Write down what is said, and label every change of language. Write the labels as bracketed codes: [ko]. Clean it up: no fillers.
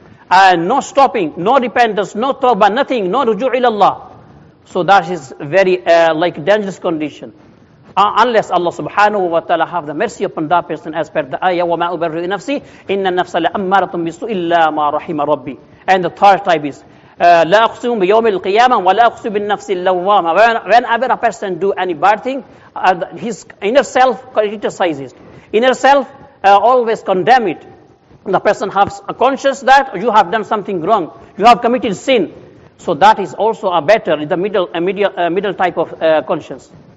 [en] And no stopping, no repentance, no tawbah, nothing, no rujoo ilallah. So that is very dangerous condition. Unless Allah subhanahu wa ta'ala have the mercy upon that person as per the ayah, [ar] وَمَا أُبَرِّئُ نَفْسِي إِنَّ النَّفْسَ لَأَمَّارَةٌ بِسُّ إِلَّا مَا رَحِمَ رَبِّي. [en] And the third type is, [ar] لا أقسم بيوم القيامة ولا أقسم بالنفس اللوامة. [en] Whenever a person do any bad thing, his inner self criticizes. Inner self always condemn it. The person has a conscience that you have done something wrong. You have committed sin. So that is also a better, the middle type of conscience.